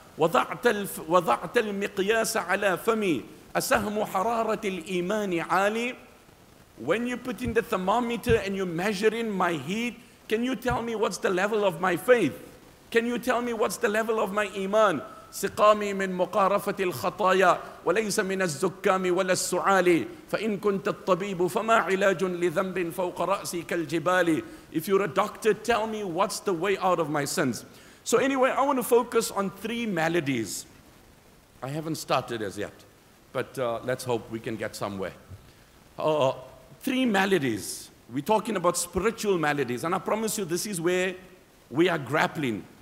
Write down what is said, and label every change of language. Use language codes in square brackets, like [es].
[ar] وَضَعْتَ الْمِقْيَاسَ عَلَى فَمِي أَسَهْمُ حَرَارَةِ الْإِيمَانِ عَالِي. [en] When you put in the thermometer and you're measuring my heat, can you tell me what's the level of my faith? Can you tell me what's the level of my iman? [ar] سقامي من مقارفة الخطايا وليس من الزكام ولا السعال فإن كنت الطبيب فما علاج لذنب فوق رأسي كالجبال. [en] If you're a doctor, tell me what's the way out of my sins. So anyway, I want to focus on three maladies. I haven't started as yet, but let's hope we can get somewhere. Three maladies. We're talking about spiritual maladies, and I promise you this is where we are grappling.